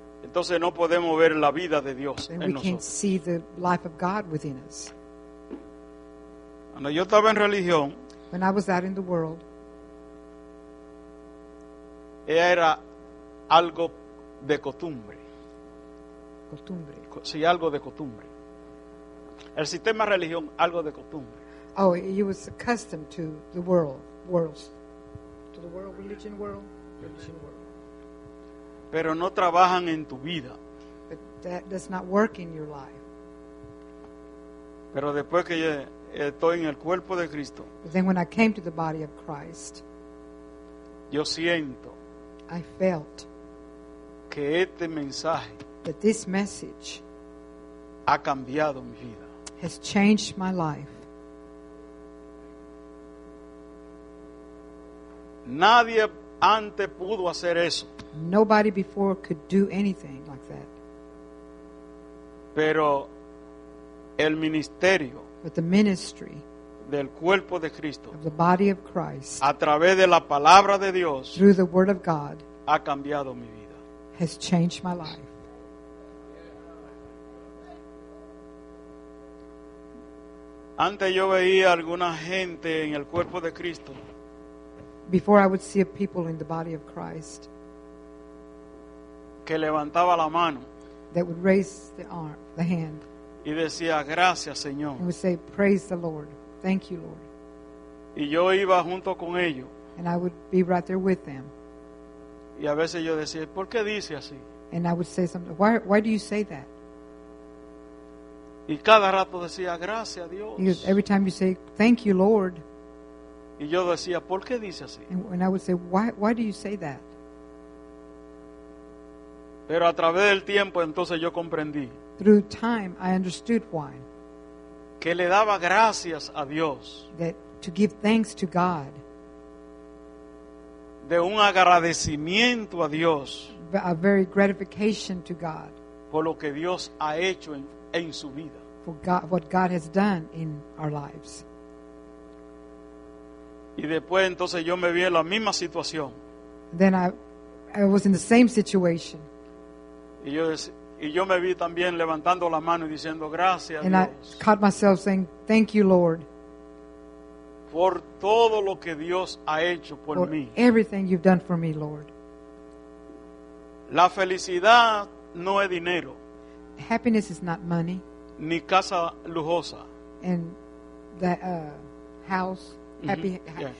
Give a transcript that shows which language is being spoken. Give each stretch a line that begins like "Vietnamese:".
Spanish: entonces no podemos ver la vida de Dios
English: then we
Spanish: nosotros.
English: Can't see the life of God within us.
Spanish: Cuando yo estaba en religión,
English: when I was out in the world,
Spanish: era algo de costumbre. Costumbre. Sí, algo de costumbre. El sistema religión, algo de costumbre.
English: Oh, he was accustomed to the religion world.
Spanish: Pero no trabajan en tu vida.
English: But that does not work in your life.
Spanish: Pero después que estoy en el cuerpo de Cristo,
English: but then when I came to the body of Christ,
Spanish: yo siento,
English: I felt,
Spanish: que este mensaje,
English: that this message,
Spanish: ha cambiado mi vida,
English: has changed my life.
Spanish: Nadie antes pudo hacer eso.
English: Nobody before could do anything like that.
Spanish: Pero el ministerio,
English: but the ministry,
Spanish: del cuerpo de Cristo,
English: of the body of Christ,
Spanish: a través de la palabra de Dios,
English: through the word of God,
Spanish: ha cambiado mi vida,
English: has changed my life.
Spanish: Antes yo veía alguna gente en el cuerpo de Cristo.
English: Before I would see a people in the body of Christ
Spanish: que levantaba la mano,
English: that would raise the arm, the hand,
Spanish: y decía, gracias, Señor,
English: and would say, praise the Lord, thank you, Lord.
Spanish: Y yo iba junto con ellos,
English: and I would be right there with them.
Spanish: Y a veces yo decía, ¿por qué dice así?
English: And I would say something, why do you say that?
Spanish: Y cada rato decía, gracias, Dios.
English: Because every time you say, thank you, Lord.
Spanish: Y yo decía, ¿por qué dice así?
English: And I would say, why do you say that?
Spanish: Pero a través del tiempo, entonces yo comprendí.
English: Through time, I understood why.
Spanish: Que le daba gracias a Dios.
English: That to give thanks to God.
Spanish: De un agradecimiento a Dios.
English: A very gratification to God.
Spanish: Por lo que Dios ha hecho en su vida.
English: For God, what God has done in our lives.
Spanish: Y después entonces yo me vi en la misma situación.
English: Then I was in the same situation.
Spanish: Y yo me vi también levantando la mano y diciendo gracias.
English: And I caught myself saying thank you, Lord.
Spanish: Por todo lo que Dios ha hecho por mí.
English: Everything you've done for me, Lord.
Spanish: La felicidad no es dinero.
English: Happiness is not money.
Spanish: Ni casa lujosa.
English: And the house. Happy, yeah.